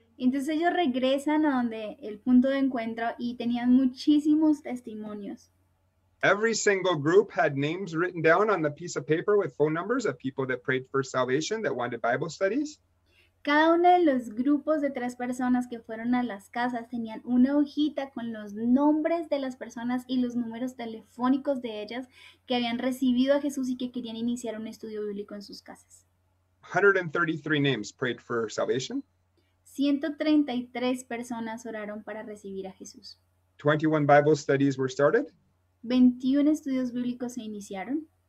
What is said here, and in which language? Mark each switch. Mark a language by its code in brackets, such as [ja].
[es] Entonces ellos regresan a donde el punto de encuentro y tenían muchísimos testimonios. [en] Every single group had names written down on the piece of paper with phone numbers of people that prayed for salvation that wanted Bible studies. [es] Cada uno de los grupos de tres personas que fueron a las casas tenían una hojita con los nombres de las personas y los números telefónicos de ellas que habían recibido a Jesús y que querían iniciar un estudio bíblico en sus casas. [en] 133 names prayed for salvation. [es] 133 personas oraron para recibir a Jesús. [en] 21 Bible studies were started. [es] 21 estudios bíblicos se iniciaron.